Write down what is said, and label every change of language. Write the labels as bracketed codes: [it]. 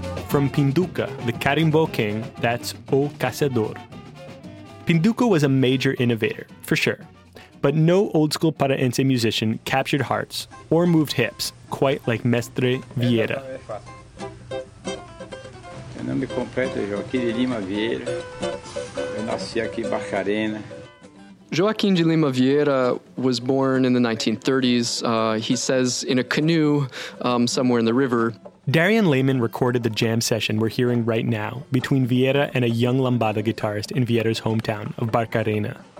[en] Pinduca, the carimbó king, that's O Caçador. Pinduca was a major innovator, for sure. But no old-school paraense musician captured hearts or moved hips quite like Mestre Vieira. [pt] Meu nome completo é Joaquim de Lima Vieira. Eu nasci aqui em Barcarena. [en] Joaquim de Lima Vieira was born in the 1930s, he says, in a canoe somewhere in the river. Darian Lehman recorded the jam session we're hearing right now between Vieira and a young lambada guitarist in Vieira's hometown of Barcarena.